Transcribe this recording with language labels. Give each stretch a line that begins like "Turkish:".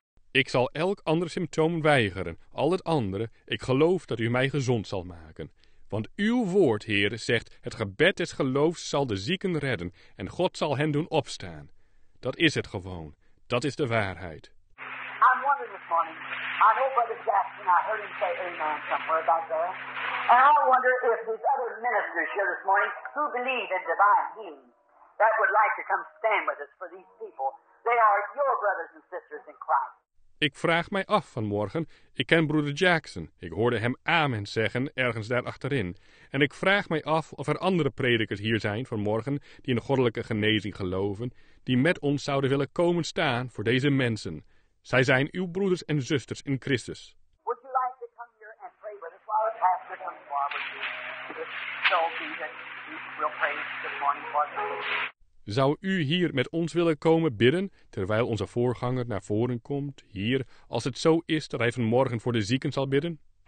Dutch: Ik zal elk ander symptoom weigeren, al het andere, ik geloof dat u mij gezond zal maken. Want uw woord, Heer, zegt, het gebed des geloofs zal de zieken redden en God zal hen doen opstaan. Dat is het gewoon. Dat is de waarheid.
English: I'm wondering if morning. I know Brother Jackson, I heard him say amen somewhere back there. And I wonder if there's other ministers here this morning who believe in divine healing that would like to come stand with us for these people. They are your brothers and sisters in Christ.
Dutch: Ik vraag mij af vanmorgen, ik ken broeder Jackson, ik hoorde hem amen zeggen ergens daar achterin, en ik vraag mij af of er andere predikers hier zijn vanmorgen die in goddelijke genezing geloven, die met ons zouden willen komen staan voor deze mensen. Zij zijn uw broeders en zusters in Christus.
English: Would you like to come here and pray with us while the pastor comes forward?
Dutch: Zou u hier met ons willen komen bidden, terwijl onze voorganger naar voren komt, hier, als het zo is dat hij vanmorgen voor de zieken zal bidden?